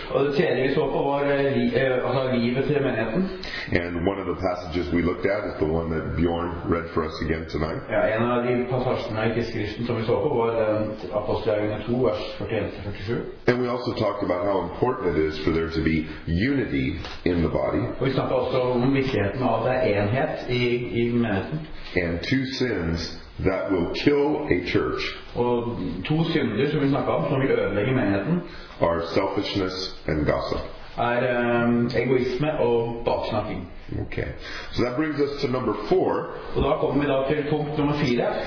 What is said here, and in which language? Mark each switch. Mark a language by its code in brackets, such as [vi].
[no] Og det tredje vi så på var livet til menigheten. [en] And one of the passages we looked at is the one that Bjorn read for us again tonight. [no] Ja, en av de passasjene I Kristuskriften som vi så på var Apostlagene 2, vers 41-47. [en] And we also talked about how important it is for there to be unity in the body. [no] Og vi snakket også om viktigheten av at det enhet I menigheten. [en] And two sins that will kill a church. [no] Og to synder som vi snakket om som vil ødelegge menigheten [en] are selfishness and gossip. [no] Egoisme og baksnakking. [en] Okay. So that brings us to number four. [no] Og da kommer vi da til punkt nummer fire.